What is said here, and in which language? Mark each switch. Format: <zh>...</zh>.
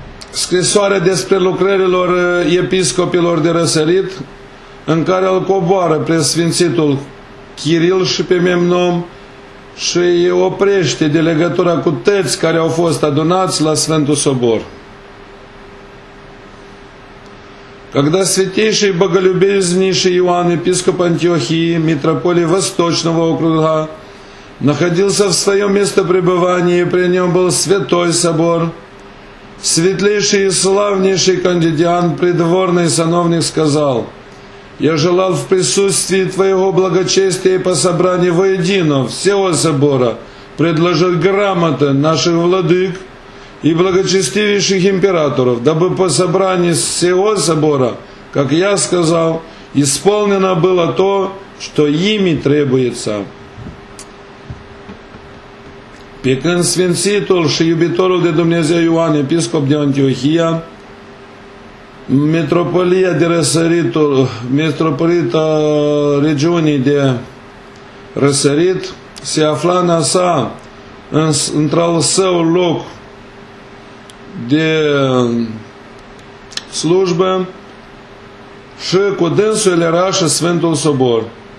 <ro>Scrisoare despre lucrărilor episcopilor de răsărit, în care îl coboară pe Sfințitul Kiril și pe Memnon și îi oprește de legătura cu toți care au fost adunați la Sfântul Sobor.</ro> <ru>Когда святейший боголюбезнейший Иоанн, епископ Антиохии, митрополий Восточного округа, находился в своем месте пребывания, и при нем был Святой Собор, светлейший и славнейший кандидиан, придворный сановник, сказал: «Я желал в присутствии твоего благочестия и по собранию воедино всего собора предложить грамоты наших владык и благочестивейших императоров, дабы по собранию всего собора, как я сказал, исполнено было то, что ими требуется».</ru> <ro>Pe când Sfințitul și iubitorul de Dumnezeu Ioan, episcop de Antiohia, metropolia de răsăritul, metropolita regiunii de răsărit, se afla în a sa, într-al său loc de slujbă și cu dânsul era și Sfântul Sobor.</ro>